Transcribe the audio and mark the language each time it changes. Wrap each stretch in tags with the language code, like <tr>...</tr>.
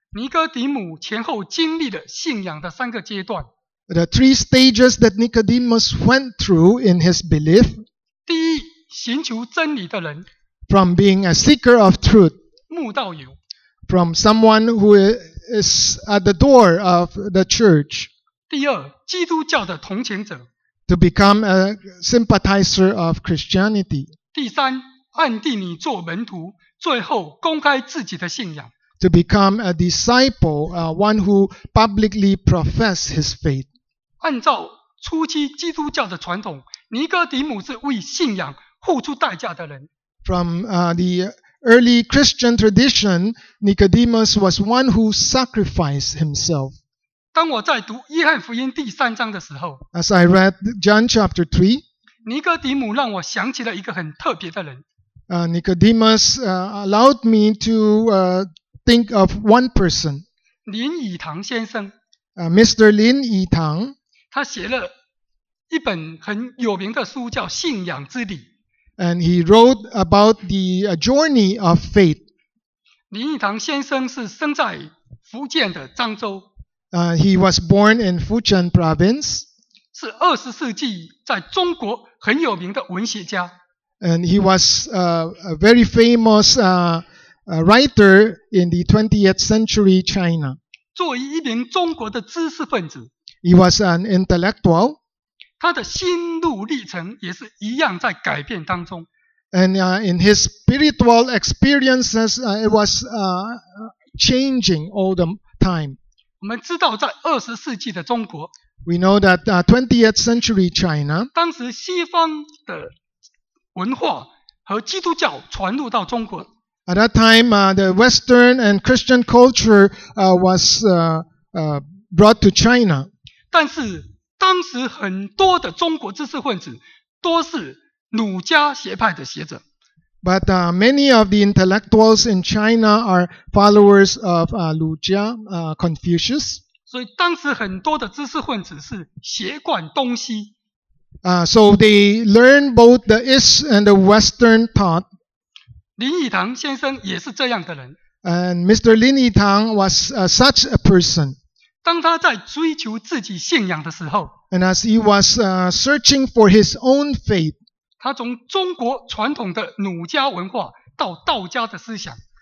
<zh>尼哥底母前后经历了信仰的三个阶段。</zh> <en>The three stages that Nicodemus went through in his belief.</en> <zh>第一，寻求真理的人。</zh> <en>From being a seeker of truth.</en> <zh>慕道友。</zh> <en>From someone who is at the door of the church.</en> <zh>第二，基督教的同情者。</zh> <en>To become a sympathizer of Christianity.</en> <zh>第三，暗地里做门徒，最后公开自己的信仰。</zh> <en>To become a disciple, one who publicly profess his faith.</en> <zh>按照初期基督教的传统，尼哥底母是为信仰付出代价的人。</zh> <en>From the early Christian tradition, Nicodemus was one who sacrificed himself.</en> <zh>当我在读约翰福音第三章的时候</zh> <en>，As I read John chapter 3,</en> <zh>尼哥底母让我想起了一个很特别的人。</zh> <en>Nicodemus allowed me to think of one person.</en> <zh>林语堂先生。</zh> <en>Mr. 林语堂。</en> <zh>他写了一本很有名的书叫《信仰之旅》。</zh> <en>And he wrote about the journey of faith.</en> <zh>林语堂先生是生在福建的漳州。</zh> <en>He was born in Fujian province.</en> <zh>是二十世纪在中国很有名的文学家。</zh> <en>And he was a very famous writer in the 20th century China.</en> <zh>作为一名中国的知识分子。</zh> <en>He was an intellectual.</en> <zh>他的心路历程也是一样在改变当中。</zh> <en>And in his spiritual experiences, it was changing all the time.</en> <zh>我们知道在二十世纪的中国。</zh> <en>We know that 20th century China.</en> <zh>当时西方的文化和基督教传入到中国。</zh> <en>At that time, the Western and Christian culture was brought to China.</en> <zh>但是当时很多的中国知识分子都是儒家学派的学者。</zh> <en>But many of the intellectuals in China are followers of 儒家 Confucius.</en> <zh>所以当时很多的知识分子是学贯东西。</zh> <en>So they learn both the East and the Western thought.</en> <zh>林语堂先生也是这样的人。</zh> <en>And Mr. 林语堂 was such a person.</en> <zh>当他在追求自己信仰的时候</zh> <en>And as he was searching for his own faith,</en> <zh>他从中国传统的儒家文化到道家的思想</zh>